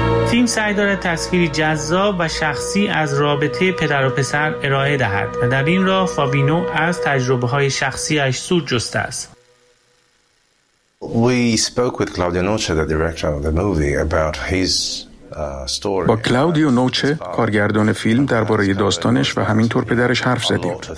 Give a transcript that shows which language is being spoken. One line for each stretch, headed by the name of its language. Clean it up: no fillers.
Persian: تیم سعی دارد تصویری جذاب و شخصی از رابطه پدر و پسر ارائه دهد و در این راه فابینو از تجربه های شخصیش سود جسته است.
English: We spoke with Claudio Noce, the director of the movie, about his story.
Persian: با کلاودیو نوچه، کارگردان فیلم، درباره داستانش و همینطور پدرش حرف زدیم.